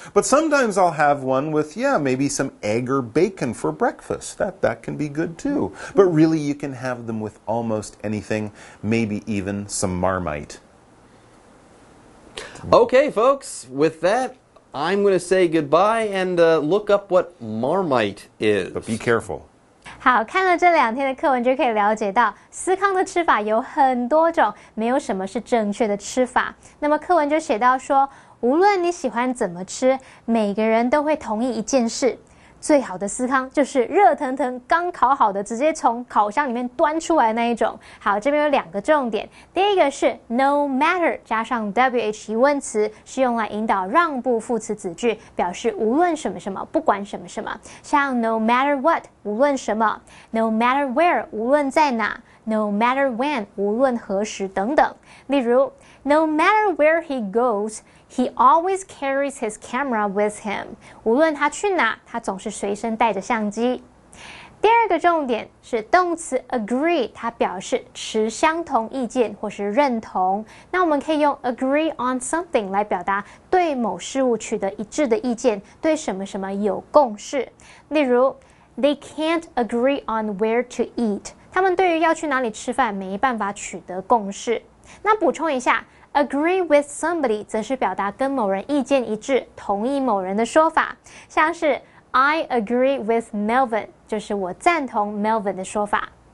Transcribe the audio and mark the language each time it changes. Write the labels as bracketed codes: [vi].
[en] But sometimes I'll have one with, yeah, maybe some egg or bacon for breakfast. That can be good too. But really, you can have them with almost anything, maybe even some Marmite. Okay, folks, with that, I'm going to say goodbye and look up what Marmite is. But be careful. [zh] 好，看了这两天的课文就可以了解到，司康的吃法有很多种，没有什么是正确的吃法。那么课文就写到说，无论你喜欢怎么吃，每个人都会同意一件事，最好的司康就是热腾腾刚烤好的，直接从烤箱里面端出来那一种。好，这边有两个重点，第一个是 no matter 加上 wh 疑问词，是用来引导让步副词子句，表示无论什么什么，不管什么什么，像 no matter what 无论什么， no matter where 无论在哪， no matter when 无论何时等等。 [en] 例如 no matter where he goesHe always carries his camera with him. [zh] 无论他去哪，他总是随身带着相机。第二个重点是动词 agree， 它表示持相同意见或是认同。那我们可以用 agree on something 来表达对某事物取得一致的意见，对什么什么有共识。 [en] 例如，They can't agree on where to eat. [zh] 他们对于要去哪里吃饭没办法取得共识。那补充一下。 Agree with somebody 则是表达跟某人意见一致，同意某人的说法。像是 I agree with Melvin，就是我赞同 Melvin 的说法。